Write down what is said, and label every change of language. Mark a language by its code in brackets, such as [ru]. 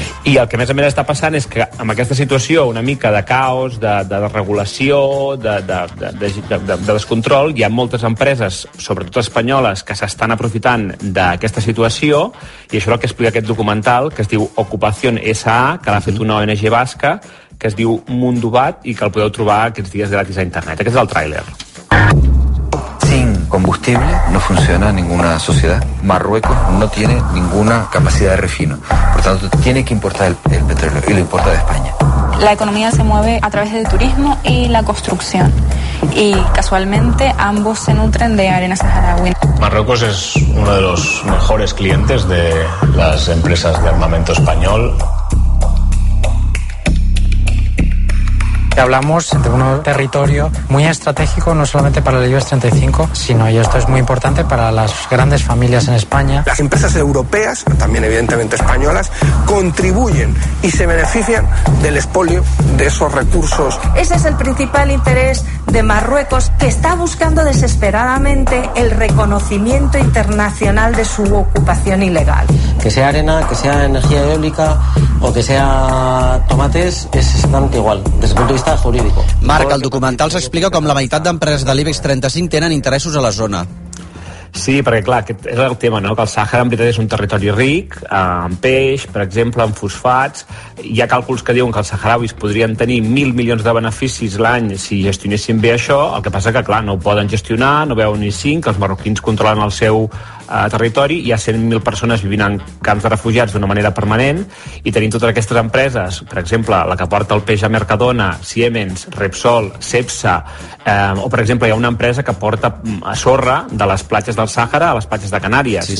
[ca] I el que més a més està passant és que amb aquesta situació una mica de caos, de desregulació, de descontrol, hi ha moltes empreses, sobretot espanyoles, que s'estan aprofitant d'aquesta situació, i això és el que explica aquest documental, que es diu Ocupación S.A., que l'ha fet una ONG basca, que es diu Mundubat, i que el podeu trobar aquests dies gratis a internet. Aquest és el tràiler. [es] Combustible no funciona en ninguna sociedad. Marruecos no tiene ninguna capacidad de refino. Por tanto, tiene que importar el petróleo y lo importa de España. La economía se mueve a través del turismo y la construcción. Y casualmente ambos se nutren de arena saharaui. Marruecos es uno de los mejores clientes de las empresas de armamento español. Hablamos de un territorio muy estratégico, no solamente para el IBEX 35, sino, y esto es muy importante, para las grandes familias en España. Las empresas europeas, también evidentemente españolas, contribuyen y se benefician del expolio de esos recursos. Ese es el principal interés de Marruecos, que está buscando desesperadamente el reconocimiento internacional de su ocupación ilegal. Que sea arena, que sea energía eólica o que sea tomates, es exactamente igual, desde el punto de vista jurídico. [ca] Marc, el documental s'explica com la meitat d'empreses de l'IBEX 35 tenen interessos a la zona. Sí, perquè clar, aquest és el tema, no? Que el Sàhara en veritat és un territori ric, en peix, per exemple, en fosfats. Hi ha càlculs que diuen que els saharauis podrien tenir 1.000 milions de beneficis l'any si gestionessin bé això, el que passa que clar, no ho poden gestionar, no veuen ni cinc, els marroquins controlen el seu territori, hi ha 100.000 persones vivint en camps de refugiats d'una manera permanent, i tenim totes aquestes empreses, per exemple, la que porta el peix a Mercadona, Siemens, Repsol, Cepsa, o per exemple hi ha una empresa que porta a sorra de les platges del Sàhara a les platges de Canàries.